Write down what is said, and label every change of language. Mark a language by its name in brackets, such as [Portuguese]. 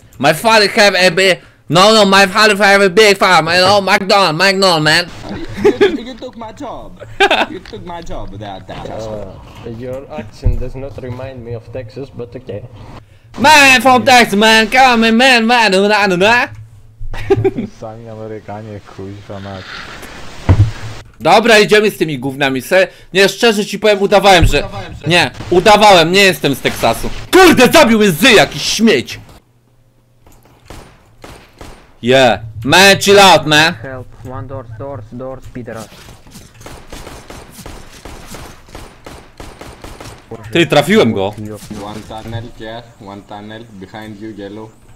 [English] My father have a big... No, my father have a big farm, you know? McDonald, man. You took my job. You took my job without that. Your accent does not remind me of Texas, but okay. Man, from Texas, man. Come in, man. [Polish] Sami Amerykanie, kuźwa mać. Dobra, idziemy z tymi gównami, se. Nie, szczerze ci powiem, udawałem, że... Nie, udawałem, nie jestem z Teksasu. Kurde, zabił mnie zy, jakiś śmieć. [English] Yeah, man, chill out, man. Help, one door, speeder up. [Polish] Ty, trafiłem go. [English] One tunnel, yeah, one tunnel, behind you, yellow.